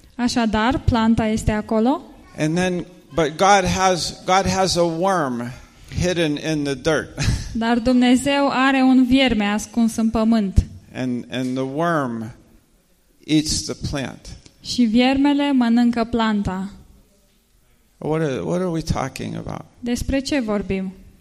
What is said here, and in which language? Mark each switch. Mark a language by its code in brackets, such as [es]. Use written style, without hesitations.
[ro] Așadar, planta este acolo. [en] And then but God has a worm hidden in the dirt. [ro] Dar Dumnezeu are un vierme ascuns în pământ. [en] And the worm eats the plant. [ro] Și viermele mănâncă planta. [en] What are we talking about? [ro] Despre ce vorbim?